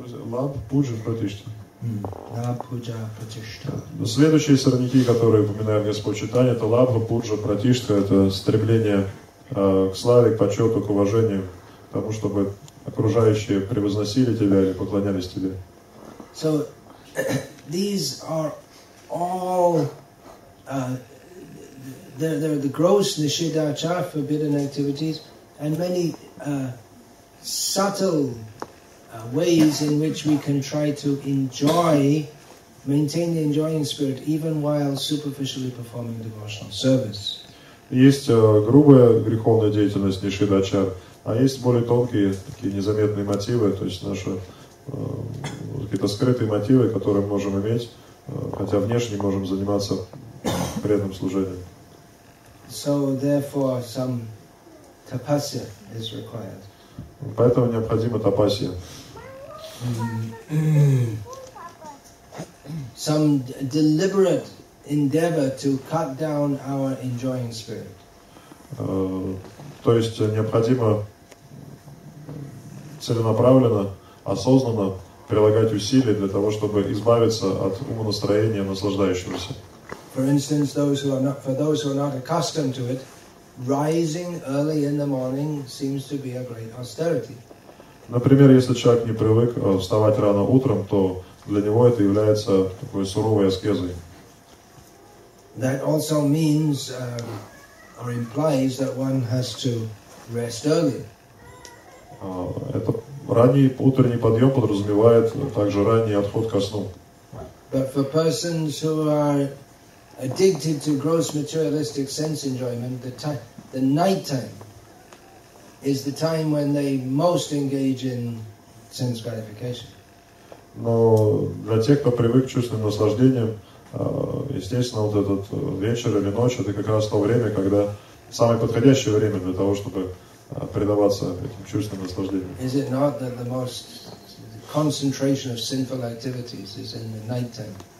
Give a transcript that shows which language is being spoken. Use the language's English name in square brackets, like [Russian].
[Sanskrit] Лабх, пуджа, пратишта. Лабх, пуджа, пратишта. [Russian] Следующие сорняки, которые упоминают Господь Читания, это лабх, пуджа, пратишта. Это стремление к славе, к почету, к уважению, к тому, чтобы окружающие превозносили тебя или поклонялись тебе. [English] So, these are all there are the gross nishidachar, forbidden activities, and many subtle ways in which we can try to enjoy, maintain the enjoying spirit, even while superficially performing devotional service. [Russian] Есть грубая греховная деятельность нишидачар, а есть более тонкие такие незаметные мотивы, то есть наши какие-то скрытые мотивы, которые можем иметь, хотя внешне можем заниматься преданным служением. [English] So therefore some tapasya is required. [Russian] Поэтому необходимо тапасья. [English] Some deliberate endeavor to cut down our enjoying spirit. [Russian] То есть необходимо целенаправленно, осознанно прилагать усилия для того, чтобы избавиться от умонастроения наслаждающегося. [English] For instance, those who are not accustomed to it, rising early in the morning seems to be a great austerity. [Russian] Например, если человек не привык вставать рано утром, то для него это является такой суровой аскезой. [English] That also means or implies that one has to rest early. [Russian] Это ранний утренний подъем подразумевает также ранний отход ко сну. [English] But for persons who are addicted to gross materialistic sense enjoyment, the night time is the time when they most engage in sense gratification. [Russian] Но для тех, кто привык к чувственным наслаждениям, естественно, вот этот вечер или ночь, это как раз то время, когда самое подходящее время для того, чтобы предаваться этим чувственным наслаждениям. [English] Is it not that the most concentration of sinful activities is in the night time?